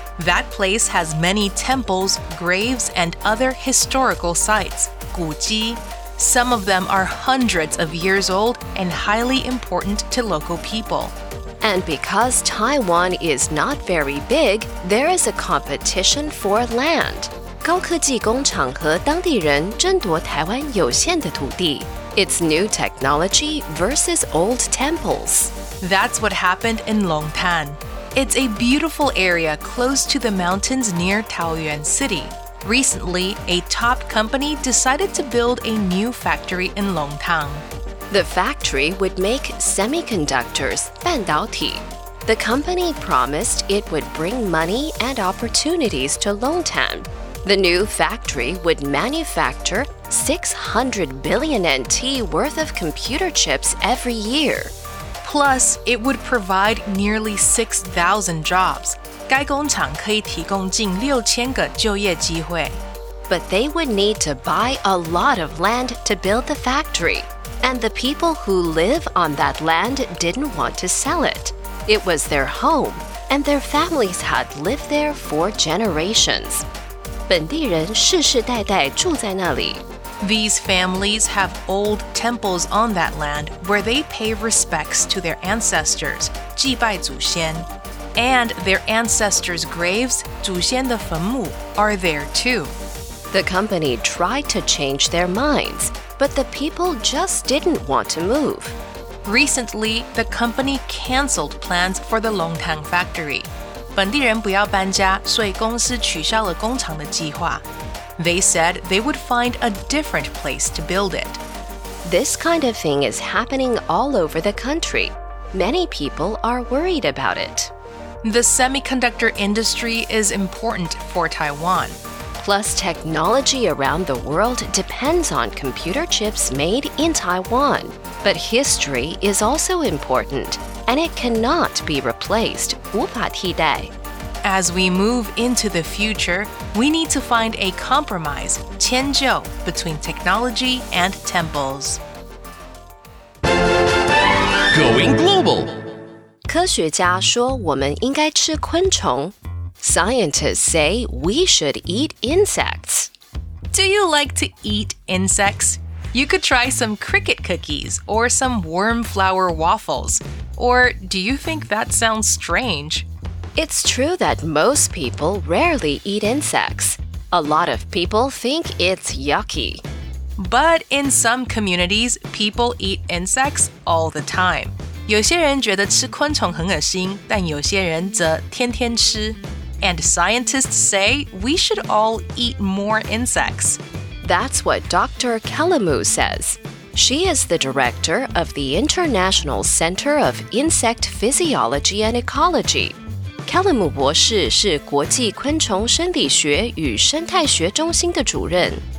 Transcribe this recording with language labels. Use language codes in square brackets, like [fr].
[en] That place has many temples, graves, and other historical sites, 古迹. Some of them are hundreds of years old and highly important to local people. And because Taiwan is not very big, there is a competition for land. [zh] 高科技工廠和當地人爭奪台灣有限的土地. [en] It's new technology versus old temples. That's what happened in Longtan. It's a beautiful area close to the mountains near Taoyuan City. Recently, a top company decided to build a new factory in Longtan. The factory would make semiconductors, 半导体. The company promised it would bring money and opportunities to Longtan. The new factory would manufacture 600 billion NT worth of computer chips every year. Plus, it would provide nearly 6,000 jobs. [zh] 该工厂可以提供近六千个就业机会。 [en] But they would need to buy a lot of land to build the factory. And the people who live on that land didn't want to sell it. It was their home, and their families had lived there for generations. [zh] 本地人世世代代住在那里。 [en] These families have old temples on that land where they pay respects to their ancestors, [zh] 祭拜祖先. [en] And their ancestors' graves, [zh] 祖先的坟墓, [en] are there too. The company tried to change their minds, but the people just didn't want to move. Recently, the company canceled plans for the Longtan factory. [zh] 本地人不要搬家,所以公司取消了工厂的计划。 [en] They said they would find a different place to build it. This kind of thing is happening all over the country. Many people are worried about it. The semiconductor industry is important for Taiwan. Plus, technology around the world depends on computer chips made in Taiwan. But history is also important, and it cannot be replaced, [zh] 无法替代。 [en] As we move into the future, we need to find a compromise, 迁就, between technology and temples. Going global! [zh] 科学家说我们应该吃昆虫. [en] Scientists say we should eat insects. Do you like to eat insects? You could try some cricket cookies or some worm flour waffles. Or do you think that sounds strange? It's true that most people rarely eat insects. A lot of people think it's yucky. But in some communities, people eat insects all the time. [zh] 有些人觉得吃昆虫很噁心,但有些人则天天吃。 [en] And scientists say we should all eat more insects. That's what Dr. Kelemu says. She is the director of the International Center of Insect Physiology and Ecology. [zh] Kelumu 博士是国际昆虫生理学与生态学中心的主任。